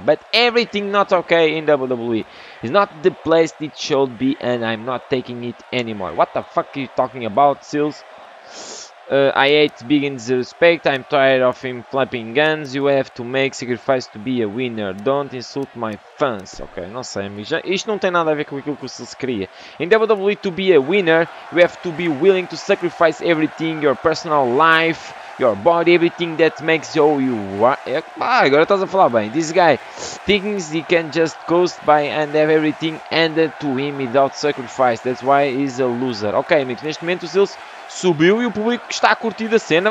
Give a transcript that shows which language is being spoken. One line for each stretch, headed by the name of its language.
English: But everything not okay in WWE is not the place it should be and I'm not taking it anymore. What the fuck are you talking about, Seals? I hate being disrespect. I'm tired of him flapping guns. You have to make sacrifice to be a winner. Don't insult my fans.
Portuguese: Ok, não sei, amigo. Já, isto não tem nada a ver com aquilo que o Seals queria.
English: In WWE, to be a winner, you have to be willing to sacrifice everything. Your personal life, your body, everything that makes you who you are.
Portuguese: Ah, agora estás a falar bem.
English: This guy thinks he can just coast by and have everything handed to him without sacrifice. That's why he's a loser.
Portuguese: Ok, amigo. Neste momento, o Seals subiu e o público está a curtir a cena.